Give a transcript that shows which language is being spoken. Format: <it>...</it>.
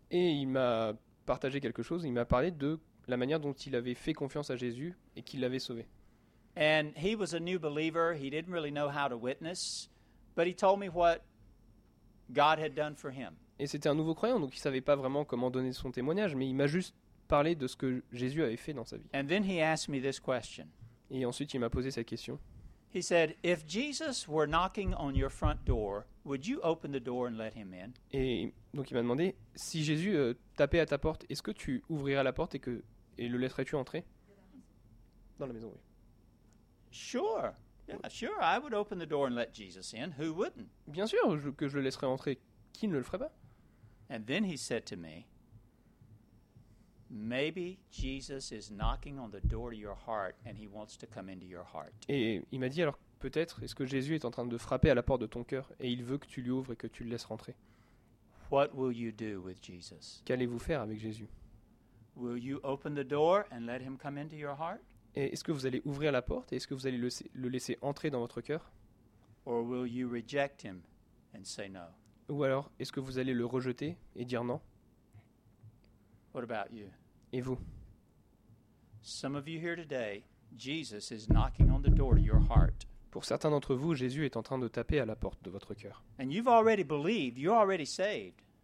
<fr>Et il m'a partagé quelque chose, il m'a parlé de la manière dont il avait fait confiance à Jésus et qu'il l'avait sauvé.</fr> <en>And he was a new believer, he didn't really know how to witness, but he told me what God had done for him.</en> <fr>Et c'était un nouveau croyant, donc il ne savait pas vraiment comment donner son témoignage, mais il m'a juste parlé de ce que Jésus avait fait dans sa vie.</fr> <en>And then he asked me this question.</en> <fr>Et ensuite, il m'a posé cette question.</fr> <en>He said, if Jesus were knocking on your front door, would you open the door and let him in?</en> <fr>Et donc il m'a demandé, si Jésus tapait à ta porte, est-ce que tu ouvrirais la porte et le laisserais-tu entrer? Dans la maison, oui.</fr> <en>Sure. Yeah, sure, I would open the door and let Jesus in. Who wouldn't?</en> <fr>Bien sûr que je le laisserais entrer. Qui ne le ferait pas?</fr> <en>And then he said to me, maybe Jesus is knocking on the door to your heart and he wants to come into your heart.</en> <fr>Et il m'a dit alors peut-être est-ce que Jésus est en train de frapper à la porte de ton cœur et il veut que tu lui ouvres et que tu le laisses rentrer.</fr> <en>What will you do with Jesus?</en> <fr>Qu'allez-vous faire avec Jésus?</fr> <en>Will you open the door and let him come into your heart?</en> <fr>Et est-ce que vous allez ouvrir la porte et est-ce que vous allez le laisser entrer dans votre cœur?</fr> <en>Or will you reject him and say no?</en> <fr>Ou alors est-ce que vous allez le rejeter et dire non?</fr> <en>What about you?</en> <fr>Et vous?</fr> <en>Some of you here today, Jesus is knocking on the door to your heart.</en> <fr>Pour certains d'entre vous, Jésus est en train de taper à la porte de votre cœur.</fr> <en>And you've already believed, you're already saved.</en>